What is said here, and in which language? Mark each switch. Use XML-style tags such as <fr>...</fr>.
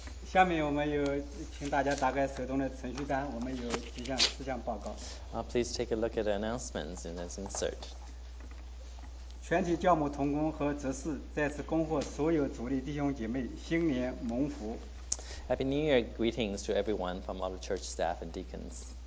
<zh>下面我们有请大家打开手中的程序单，我们有几项事项报告。</zh> <en>Please take a look at the announcements in this insert.</en> <zh>全体教母同工和执事再次恭贺所有主力弟兄姐妹新年蒙福。</zh> <en>Happy New Year greetings to everyone from all the church staff and deacons.</en>